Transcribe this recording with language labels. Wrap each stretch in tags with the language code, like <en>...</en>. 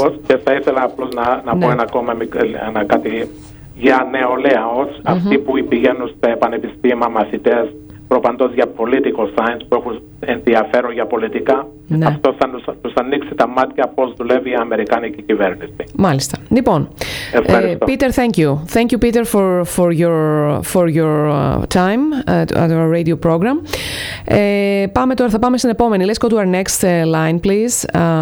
<el>Ακριβώς, και θα ήθελα απλώς να πω ένα ακόμα κάτι για νεολαία. Αυτοί που πηγαίνουν στα πανεπιστήμια, μαθητές, προπαντός για political science, που έχουν ενδιαφέρον για πολιτικά, αυτό θα τους ανοίξει τα μάτια πώς δουλεύει η Αμερικάνικη κυβέρνηση. Μάλιστα. Λοιπόν, Peter,</el> <en>thank you. Thank you, Peter, for your time at our radio program.</en> <el>Πάμε τώρα, θα πάμε στην επόμενη.</el> <en>Let's go to our next line, please.</en>